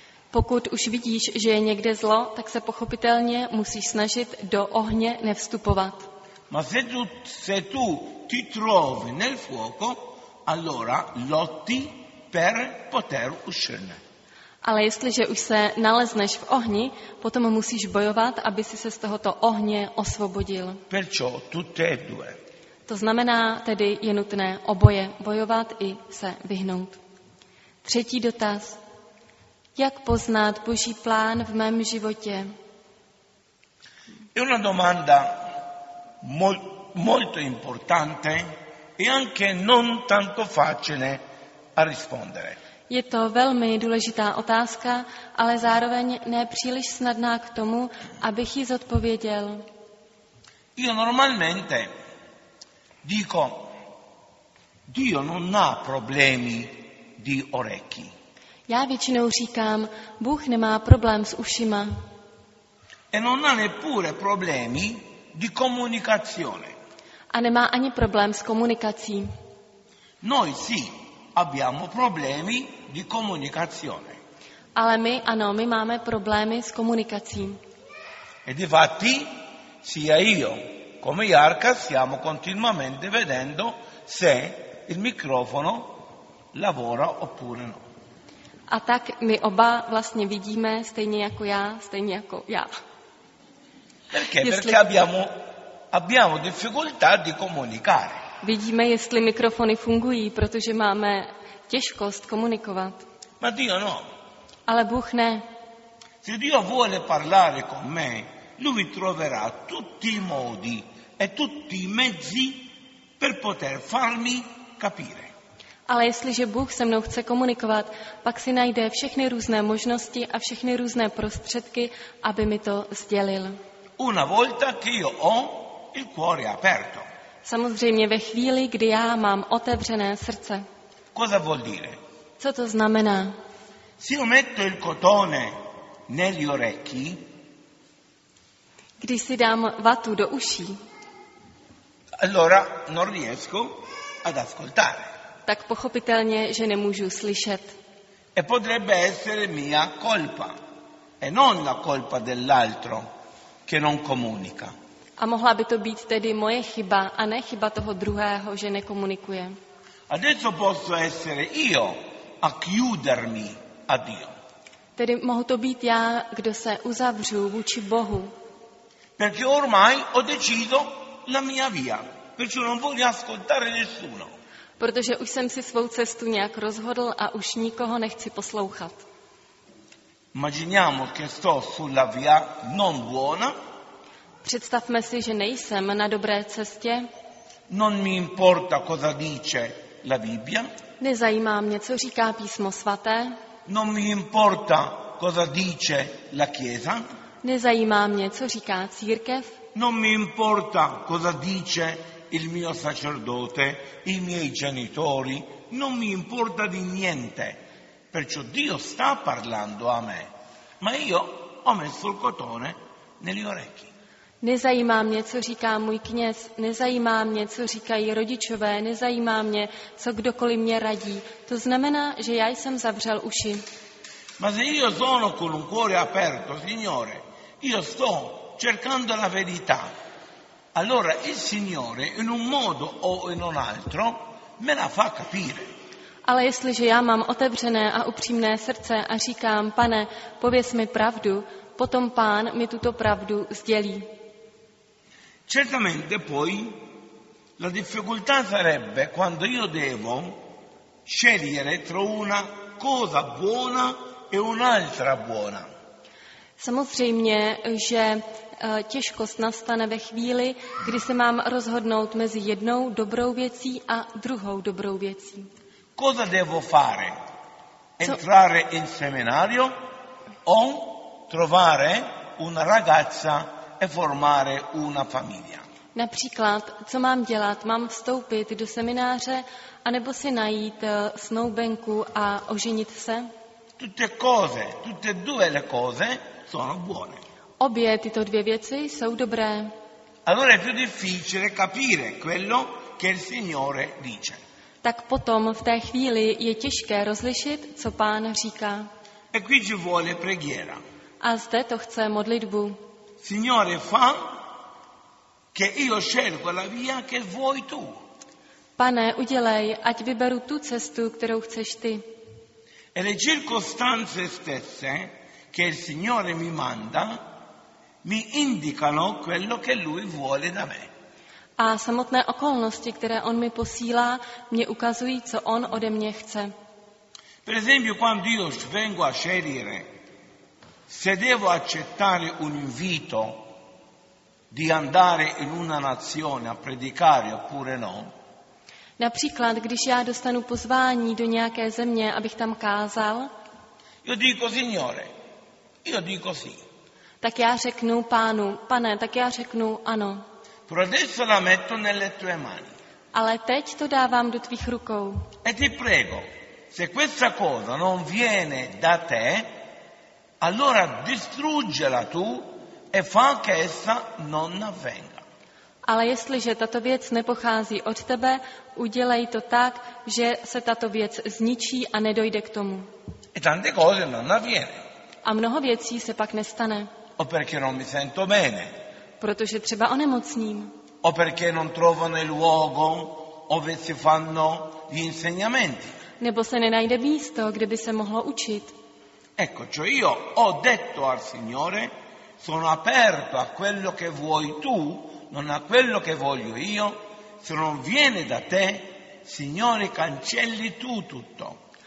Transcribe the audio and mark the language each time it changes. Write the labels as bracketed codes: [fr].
[cs] Pokud už vidíš, že je někde zlo, tak se pochopitelně musíš snažit do ohně nevstupovat. [it] Ma se tu ti trovi nel fuoco, allora lotti per poter uscirne. [cs] Ale jestliže už se nalezneš v ohni, potom musíš bojovat, aby si se z tohoto ohně osvobodil. [it] Perciò tutte e due. [cs] To znamená, tedy je nutné oboje bojovat i se vyhnout. Třetí dotaz. Jak poznat Boží plán v mém životě? [it] È una domanda molto importante e anche non tanto facile a rispondere. [cs] Je to velmi důležitá otázka, ale zároveň nepříliš snadná k tomu, abych ji zodpověděl. [it] Io normalmente dico Dio non ha problemi di orecchi. [cs] Já většinou říkám, Bůh nemá problém s ušima. [it] E non ha neppure problemi di comunicazione. [cs] A nemá ani problém s komunikací. [it] Noi sì, abbiamo problemi di comunicazione. [cs] Ale my, ano, my máme problémy s komunikací. [it] E difatti, sia io come Jarka stiamo continuamente vedendo se il microfono lavora oppure no. [cs] A tak my oba vlastně vidíme, stejně jako já. [it] Perché? Perché abbiamo difficoltà di comunicare. [cs] Vidíme, jestli mikrofony fungují, protože máme těžkost komunikovat. [it] Ma Dio no. [cs] Ale Bůh ne. [it] Se Dio vuole parlare con me, lui troverà tutti i modi e tutti i mezzi per poter farmi capire. [cs] Ale jestliže Bůh se mnou chce komunikovat, pak si najde všechny různé možnosti a všechny různé prostředky, aby mi to sdělil. [it] Una volta che io ho il cuore aperto. [cs] Samozřejmě ve chvíli, kdy já mám otevřené srdce. [it] Cosa vuol dire? [cs] Co to znamená? [it] Se io metto il cotone negli orecchi. [cs] Když si dám vatu do uší. [it] Allora non riesco ad ascoltare. [cs] Tak pochopitelně, že nemůžu slyšet. [it] E potrebbe essere mia colpa. E non la colpa dell'altro che non comunica. [cs] A mohla by to být tedy moje chyba a ne chyba toho druhého, že nekomunikuje. [it] Adesso posso essere io a chiudermi a Dio. [cs] Tedy mohu to být já, kdo se uzavřu vůči Bohu. [it] Perché ormai ho deciso la mia via, perciò non voglio ascoltare nessuno. [cs] Protože už jsem si svou cestu nějak rozhodl a už nikoho nechci poslouchat. [it] Immaginiamo che sto sulla via non buona. [cs] Představme si, že nejsem na dobré cestě. [it] Non mi importa cosa dice la Bibbia. [cs] Nezajímá mě, co říká písmo svaté. [it] Non mi importa cosa dice la Chiesa. [cs] Nezajímá mě, co říká církev. [it] Non mi importa cosa dice il mio sacerdote, i miei genitori. Non mi importa di niente. Perciò Dio sta parlando a me, ma io ho messo il cotone negli orecchi. [cs] Nezajímá mě, co říká můj kněz, nezajímá mě, co říkají rodičové, nezajímá mě, co kdokoliv mě radí. To znamená, že já jsem zavřel uši. [it] Ma se io sono con un cuore aperto, Signore, io sto cercando la verità, allora il Signore in un modo o in un altro me la fa capire. [cs] Ale jestliže já mám otevřené a upřímné srdce a říkám, Pane, pověz mi pravdu, potom Pán mi tuto pravdu sdělí. [it] Certamente poi la difficoltà sarebbe quando io devo scegliere tra una cosa buona e un'altra buona. [cs] Samozřejmě, že těžkost nastane ve chvíli, kdy se mám rozhodnout mezi jednou dobrou věcí a druhou dobrou věcí. [it] Cosa devo fare? Entrare in seminario o trovare una ragazza e formare una famiglia? [cs] Například, co mám dělat? Mám vstoupit do semináře anebo si najít snoubenku a oženit se? [it] Tutte due le cose sono buone. [cs] Obě tyto dvě věci jsou dobré. [it] Allora è più difficile capire quello che il Signore dice. [cs] Tak potom v té chvíli je těžké rozlišit, co Pán říká. [it] E qui ci vuole preghiera. [cs] A zde to chce modlitbu. [it] Signore fa che io scelgo la via che vuoi tu. [cs] Pane, udělej, ať vyberu tu cestu, kterou chceš ty. [it] E le circostanze stesse che il Signore mi manda mi indicano quello che lui vuole da me. [cs] A samotné okolnosti, které on mi posílá, mě ukazují, co on ode mě chce. [it] Per esempio, quando io vengo a scegliere se devo accettare un invito di andare in una nazione a predicare oppure no. [cs] Například, když já dostanu pozvání do nějaké země, abych tam kázal. [it] Io dico Signore, io dico sì. [cs] Tak já řeknu Pánu, Pane, tak já řeknu ano. [it] Però adesso la metto nelle tue mani. [cs] Ale teď to dávám do tvých rukou. [it] E ti prego, se questa cosa non viene da te, allora distruggela tu e fa che essa non avvenga. [cs] Ale jestliže tato věc nepochází od tebe, udělej to tak, že se tato věc zničí a nedojde k tomu. [it] E tante cose non avviene. [cs] A mnoho věcí se pak nestane. [it] O perché non mi sento bene. [cs] Protože třeba onemocním. [it] O perché non trovo nel luogo dove si fanno gli insegnamenti. [cs] Nebo se nenajde místo, kde by se mohlo učit. [it] Ecco, cioè io ho detto al Signore, sono aperto a quello che vuoi tu, non a quello che voglio io. Se non viene da te, Signore, cancelli tu tutto.